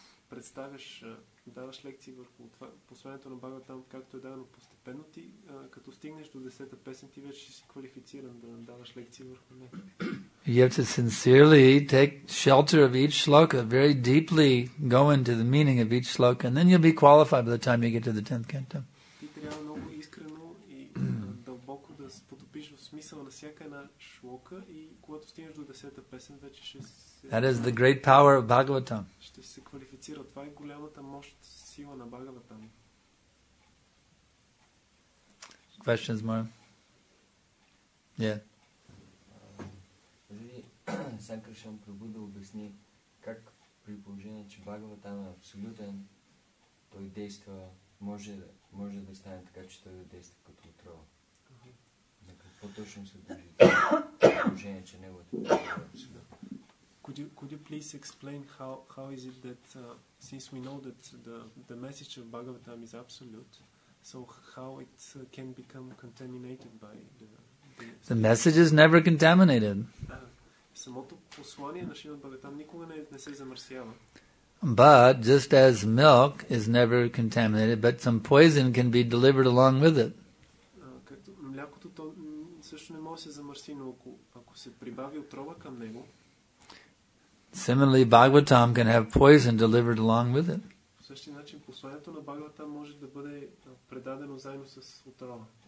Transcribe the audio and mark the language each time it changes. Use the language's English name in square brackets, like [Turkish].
[Bulgarian] Представяш, даваш лекции върху това, посланието на Бхагаватам, както е дадено постепенно ти, като стигнеш до 10-та песен, ти вече си квалифициран да даваш лекции върху него. [English] You have to sincerely take shelter of each shloka, very deeply go into the meaning of each shloka, and then you'll be qualified by the time you get to the 10th canto. [Bulgarian] Ти трябва много искрено и дълбоко да се потопиш в смисъл на всяка една шлока и когато стигнеш до 10-та песен, вече ще си... [English] That is the great power of Bhagavatam. [Bulgarian] Ще се квалифицира. Това е голямата мощ, сила на Бхагаватам. [English] Questions more? Yeah. [Bulgarian] Санкаршан Прабху да обясни как при положение, че Бхагаватам е абсолютен, той действа, може да стане така, че той да действа като отрова. На какво точно се държи при положение, че неговата е абсолютен? [English] Could you please explain how is it that since we know that the message of Bhagavatam is absolute, so how it can become contaminated by the message is never contaminated. [Bulgarian] Самото послание на Шримад Бхагаватам никога не се замърсява. [English] But just as milk is never contaminated, but some poison can be delivered along with it. [Bulgarian] Като млякото то също не може да се замърси, но ако се прибави отрова към него. [English] Similarly, Bhagavatam can have poison delivered along with it. [Bulgarian] По същия начин посланието на Бхагаватам може да бъде предадено заедно с отрова.